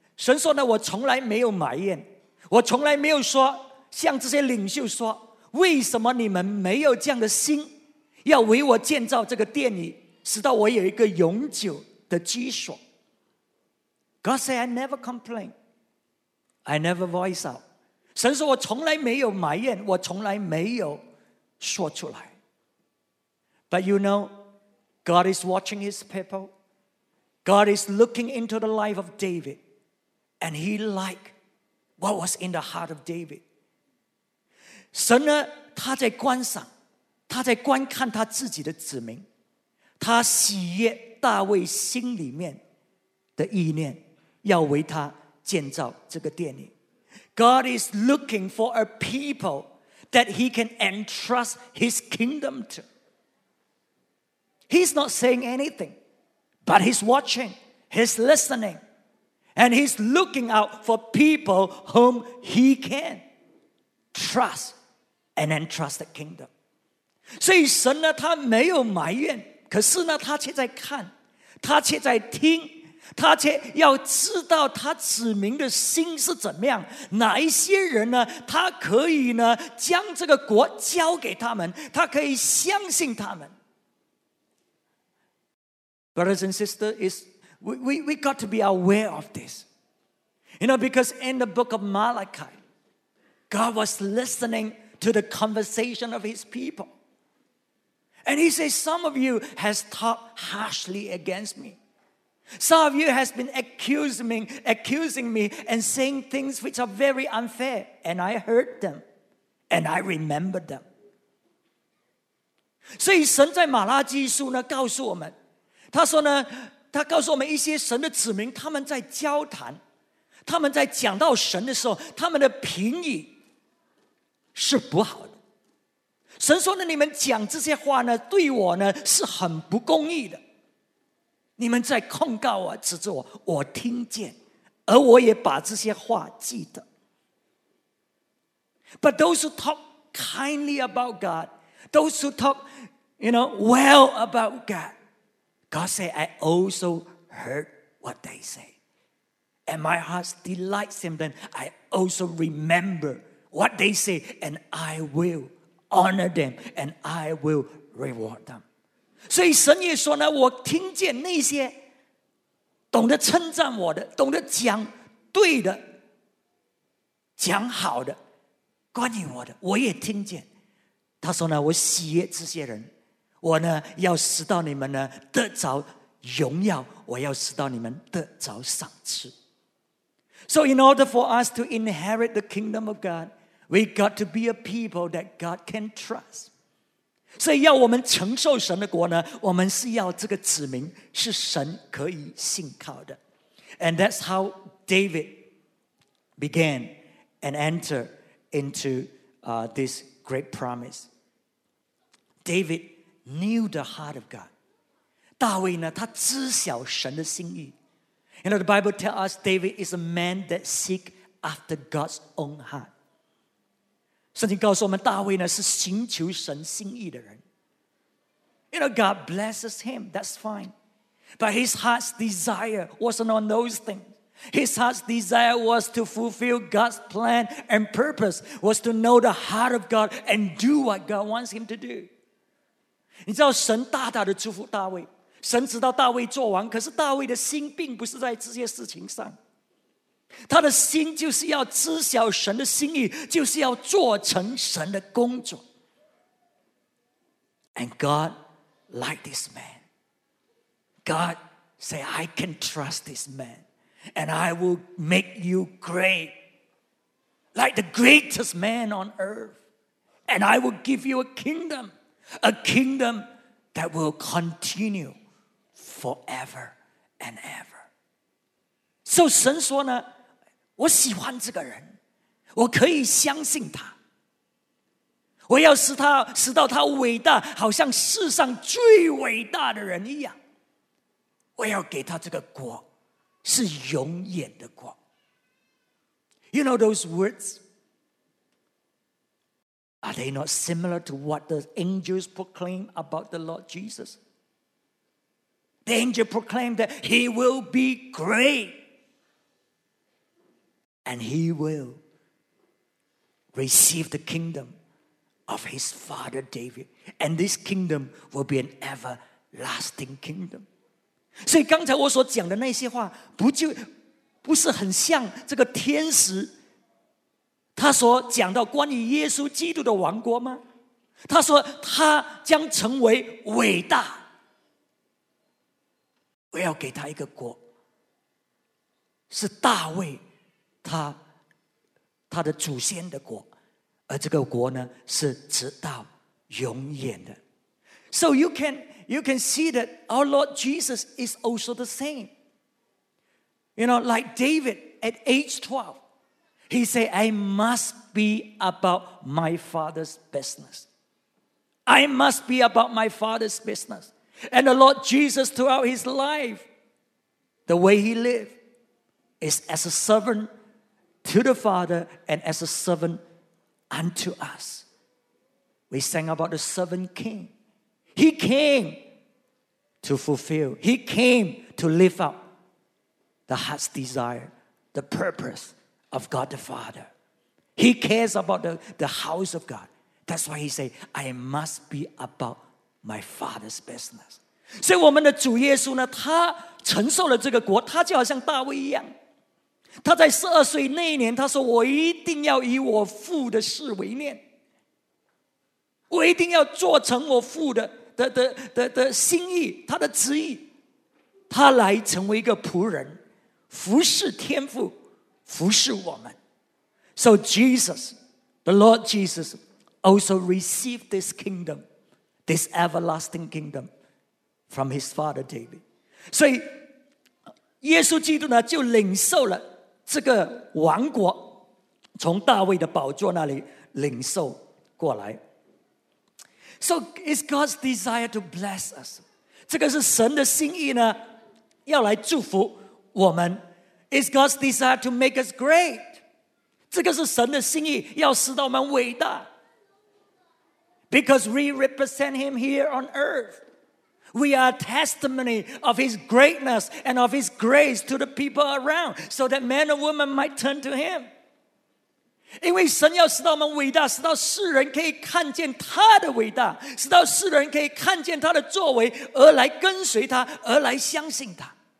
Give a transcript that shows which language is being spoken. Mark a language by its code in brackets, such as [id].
[zh] 神说呢，我从来没有埋怨，我从来没有说向这些领袖说，为什么你们没有这样的心，要为我建造这个殿宇，使到我有一个永久的居所。 [en] God said, I never complain. I never voice out. [zh] 神说我从来没有埋怨，我从来没有说出来。 [en] But you know, God is watching his people. God is looking into the life of David. And he liked what was in the heart of David. [zh] 神呢，他在观赏，他在观看他自己的子民，他喜悦大卫心里面的意念，要为他建造这个殿宇。 [en] God is looking for a people that he can entrust his kingdom to. He's not saying anything, but he's watching, he's listening, and he's looking out for people whom he can trust and entrust the kingdom. [zh] 所以神呢，他没有埋怨，可是呢，他却在看，他却在听，他却要知道他子民的心是怎么样，哪一些人呢？他可以呢将这个国交给他们，他可以相信他们。 [en] Brothers and sisters, is we got to be aware of this, you know, because in the book of Malachi, God was listening to the conversation of His people, and He says, "Some of you has talked harshly against me." Some of you has been accusing me and saying things which are very unfair, and I heard them and I remember them. [zh] 所以神在马拉基书呢告诉我们，他说呢，他告诉我们一些神的子民，他们在交谈，他们在讲到神的时候，他们的评语是不好的。神说呢，你们讲这些话呢，对我呢是很不公义的。你们在控告我，指责我，我听见，而我也把这些话记得。 [en] But those who talk kindly about God, those who talk, you know, well about God, God said, I also heard what they say. And my heart delights in them. I also remember what they say, and I will honor them, and I will reward them. [zh] 所以神也说呢，我听见那些懂得称赞我的，懂得讲对的，讲好的，关于我的，我也听见。他说呢，我喜悦这些人，我呢要使到你们呢得着荣耀，我要使到你们得着赏赐。 [en] So in order for us to inherit the kingdom of God, we got to be a people that God can trust. [zh] 所以要我们承受神的国呢，我们是要这个子民是神可以信靠的。 [en] And that's how David began and entered into this great promise. David knew the heart of God. [zh] 大卫呢，他知晓神的心意。 [en] You know, the Bible tells us David is a man that seeks after God's own heart. [zh] 圣经告诉我们，大卫呢是寻求神心意的人。 [en] You know, God blesses him, that's fine. But his heart's desire wasn't on those things. His heart's desire was to fulfill God's plan and purpose, was to know the heart of God and do what God wants him to do. [zh] 你知道神大大的祝福大卫，神知道大卫做王，可是大卫的心并不是在这些事情上。他的心就是要知晓神的心意，就是要做成神的工作。 [en] And God liked this man. God said, I can trust this man, and I will make you great, like the greatest man on earth. And I will give you a kingdom that will continue forever and ever. [zh] So 神说呢，我喜欢这个人，我可以相信他，我要使他使到他伟大，好像世上最伟大的人一样。我要给他这个国，是永远的国。 [en] You know those words? Are they not similar to what the angels proclaim about the Lord Jesus? The angel proclaimed that he will be great. And he will receive the kingdom of his father David. And this kingdom will be an everlasting kingdom. [zh] 所以刚才我所讲的那些话不是很像这个天使他所讲到关于耶稣基督的王国吗？他说他将成为伟大，我要给他一个国，是大卫他的祖先的国，而这个国呢是直到永远的。 [en] So you can see that our Lord Jesus is also the same. You know, like David at age 12, he said, I must be about my father's business. I must be about my father's business. And the Lord Jesus throughout his life, the way he lived is as a servant to the Father and as a servant unto us. We sang about the servant king. He came to fulfill. He came to live out the heart's desire, the purpose of God the Father. He cares about the house of God. That's why he said, I must be about my Father's business. [zh] 所以我们的主耶稣呢，他承受了这个国，他就好像大卫一样。他在十二岁那一年，他说，我一定要以我父的事为念。我一定要做成我父的心意，他的旨意，他来成为一个仆人，服侍天父，服侍我们。 [en] So Jesus, the Lord Jesus, also received this kingdom, this everlasting kingdom, from his father David. [zh] 所以耶稣基督呢，就领受了这个王国，从大卫的宝座那里领受过来。 [en] So it's God's desire to bless us. [zh] 这个是神的心意呢，要来祝福我们。 [en] It's God's desire to make us great. [zh] 这个是神的心意，要使到我们伟大。 [en] Because we represent him here on earth. We are a testimony of his greatness and of his grace to the people around, so that men and women might turn to him. [zh] 因为神要使到我们伟大，使到世人可以看见他的伟大，使到世人可以看见他的作为，而来跟随他，而来相信他。